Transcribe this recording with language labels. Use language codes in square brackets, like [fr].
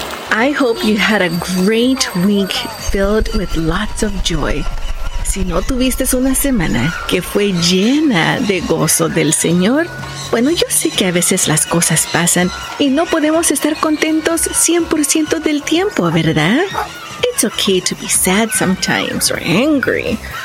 [en] I hope you had a great week filled with lots of joy. [es] Si no tuviste una semana que fue llena de gozo del Señor, bueno, yo sé que a veces las cosas pasan y no podemos estar contentos 100% del tiempo, ¿verdad? [en] It's okay to be sad sometimes or angry.